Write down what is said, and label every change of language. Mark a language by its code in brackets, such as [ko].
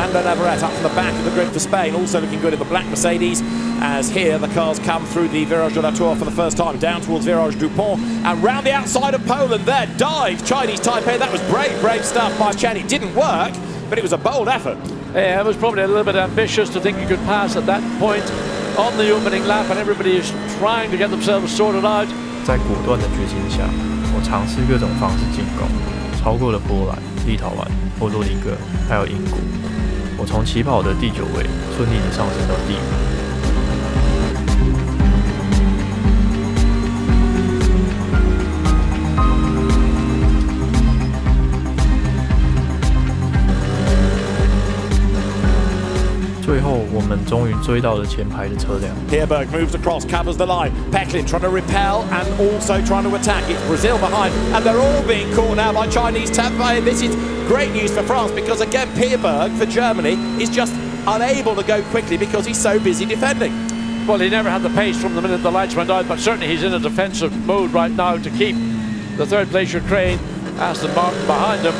[en] Fernando Navarrete up from the back of the grid for Spain, also looking good in the black Mercedes, as here the cars come through the Virage de la Tour for the first time, down towards Virage Dupont and round the outside of Poland. There, dive, Chinese Taipei. That was brave, brave stuff by Chen. It didn't work, but it was a bold effort. Yeah, it was probably a little bit ambitious to think you could pass at that point on the opening lap, and everybody is trying to get themselves sorted out. [zh] 在果断的决心下，我尝试各种方式进攻，超过了波兰、立陶宛、波多黎各，还有英国。我从起跑的第九位顺利地上升到第五。最后我们终于追到了前排的车辆。 [en] Pierberg moves across, covers the line. Peklin trying to repel and also trying to attack. It's Brazil behind, and they're all being caught now by Chinese Taipei. This is great news for France, because again, Pierberg for Germany is just unable to go quickly because he's so busy defending. Well, he never had the pace from the minute the lights went out, but certainly he's in a defensive mode right now to keep the third place Ukraine, Aston Martin behind him.